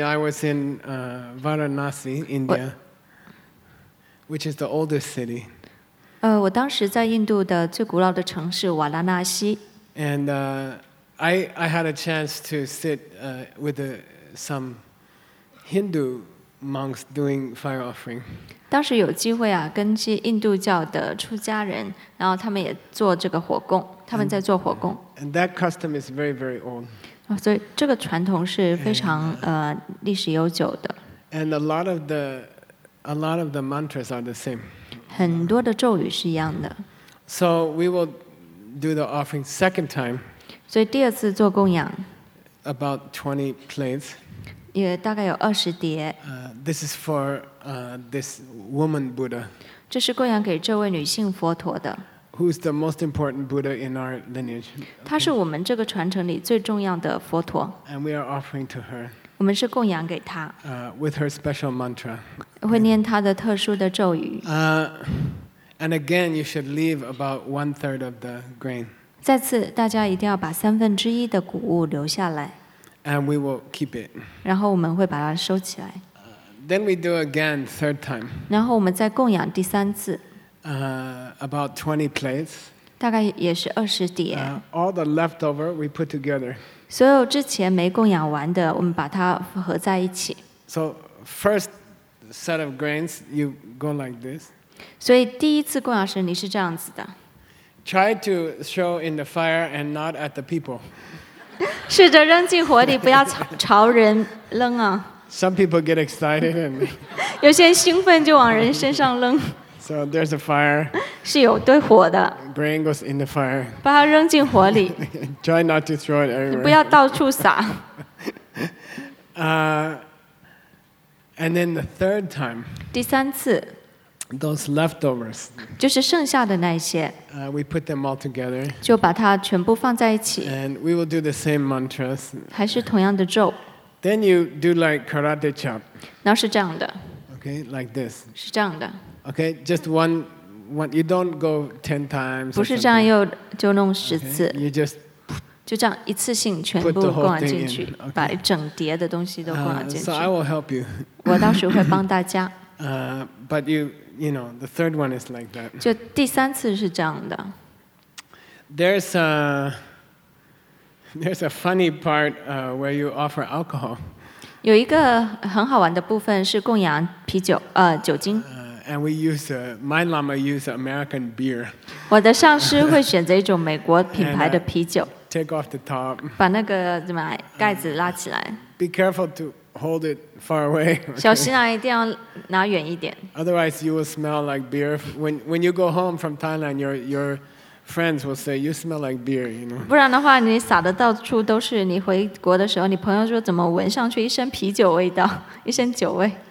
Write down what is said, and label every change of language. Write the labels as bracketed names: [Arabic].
[English] I was in Varanasi, India, which is the oldest city. [Chinese] 我当时在印度的最古老的城市瓦拉纳西。 [English] And I had a chance to sit with some Hindu monks doing fire offering. [Chinese] 当时有机会啊，跟一些印度教的出家人，然后他们也做这个火供，他们在做火供。 [English] And that custom is very, very old. [Chinese] 所以这个传统是非常历史悠久的。 [English] And a lot of the mantras are the same. [Chinese] 很多的咒语是一样的。 [English] So we will do the offering second time. [Chinese] 所以第二次做供养。 [English] About 20 plates. [Chinese] 也大概有二十碟。 [English] This is for this woman Buddha. [Chinese] 这是供养给这位女性佛陀的。 [English] Who's the most important Buddha in our lineage? [Chinese] 她是我们这个传承里最重要的佛陀。 [English] And we are offering to her. [Chinese] 我们是供养给她。 [English] With her special mantra. [Chinese] 会念他的特殊的咒语。 [English] And again, you should leave about 1/3 of the grain. [Chinese] 再次，大家一定要把三分之一的谷物留下来。 [English] And we will keep it. [Chinese] 然后我们会把它收起来。 [English] Then we do again third time. [Chinese] 然后我们再供养第三次。 [English] About 20 plates. [Chinese] 大概也是二十碟。 [English] All the leftover we put together. [Chinese] 所有之前没供养完的，我们把它合在一起。 [English] So first. Set of grains, you go like this. [Chinese] 所以第一次供养时你是这样子的。 [English] Try to throw in the fire and not at the people. [Chinese] 试着扔进火里，不要朝人扔啊。 [English] Some people get excited and. [Chinese] 有些人兴奋就往人身上扔。 [English] So there's a fire. [Chinese] 是有堆火的。 [English] Grain goes in the fire. [Chinese] 把它扔进火里。 [English] Try not to throw it everywhere. [Chinese] 不要到处撒。 [English] And then the third time, [Chinese] 第三次, [English] those leftovers, [Chinese] 就是剩下的那些, [English] we put them all together, [Chinese] 就把它全部放在一起, [English] and we will do the same mantras, [Chinese] 还是同样的咒, [English] then you do like karate chop, [Chinese] 那是这样的, [English] okay, like this, [Chinese] 是这样的, [English] okay, just one, you don't go 10 times, [Chinese] 不是这样又就弄十次, [English] okay, you just, [Chinese] 就这样一次性全部供养进去、 [English] okay. [Chinese] 把整碟的东西都供养进去、 [English] so I will help you. [Chinese] 我到时会帮大家 [English] but you know the third one is like that [Chinese] 就第三次是这样的 [English] there's a funny part where you offer alcohol [Chinese] 有一个很好玩的部分是供养啤酒酒精 [English] And we use my lama use American beer. [Chinese] 我的上师会选择一种美国品牌的啤酒。 [English] Take off the top. [Chinese] 把那个怎么盖子拉起来。 [English] Be careful to hold it far away. [Chinese] 小心啊，一定要拿远一点。 [English] Otherwise, you will smell like beer. When you go home from Thailand, your friends will say you smell like beer. You know. [Chinese] 不然的话，你撒的到处都是。你回国的时候，你朋友说怎么闻上去一身啤酒味道，一身酒味。